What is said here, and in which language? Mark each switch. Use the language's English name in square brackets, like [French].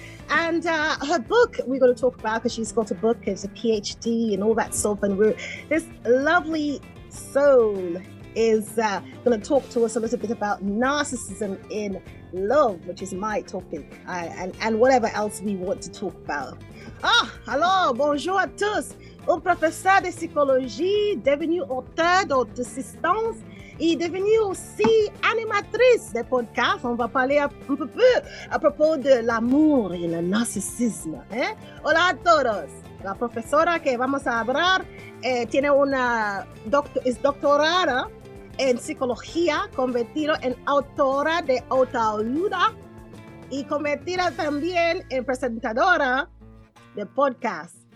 [English] And her book, we're going to talk about, because she's got a book, it's a PhD and all that stuff. And this lovely soul is going to talk to us a little bit about narcissism in love, which is my topic, and whatever else we want to talk about. [French] Ah, hello, bonjour à tous. Un professeur de psychologie devenu auteur d'assistance et devenu aussi animatrice de podcast. On va parler un peu plus à propos de l'amour et le narcissisme. [Spanish] Hein? Hola a todos. La profesora que vamos a hablar tiene una doctorada en psicología, convertida en autora de autoayuda y convertida también en presentadora de podcast.